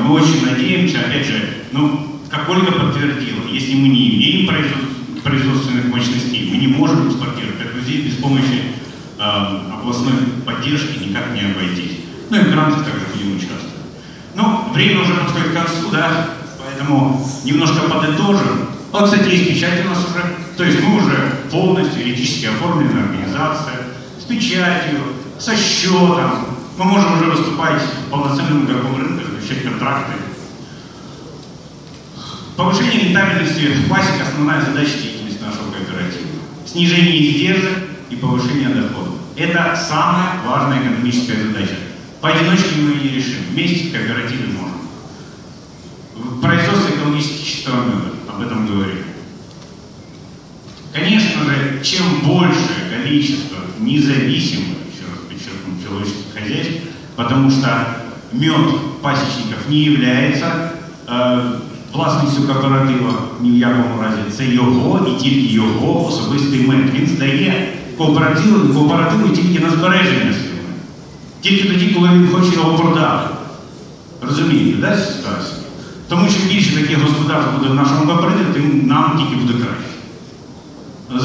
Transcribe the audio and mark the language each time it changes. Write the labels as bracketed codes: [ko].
[ru] Мы очень надеемся, опять же, ну, как Ольга подтвердила, если мы не имеем производственных мощностей, мы не можем экспортировать, как друзей без помощи областной поддержки никак не обойтись. Ну и в грантах также будем участвовать. Ну, время уже подходит к концу, да, поэтому немножко подытожим. Вот, кстати, есть печать у нас уже, то есть мы уже полностью юридически оформлены организация, печатью, [uk] Це що там? Ми можемо вже виступати повноцінним ігроком ринку, ще контракти. [ru] Повышение рентабельности – ВАСИК – основная задача деятельности нашего кооператива. Снижение издержек и повышение доходов – это самая важная экономическая задача. Поодиночке мы ее не решим, вместе в кооперативе можем. Производство экологически чистого меда – об этом говорим. Конечно же, чем большее количество независимых, еще раз подчеркну, человеческих хозяйств, потому что мед пасечников не является [uk] власністю кооператива ні в якому разі. Це його і тільки його особистий мед. Він здає кооперативу тільки на збереження свого. Тільки тоді, коли він хоче його продати. Розумієте, да, ситуація? Тому чим більше таких господарств буде в нашому кооперативі, тим нам тільки буде краще.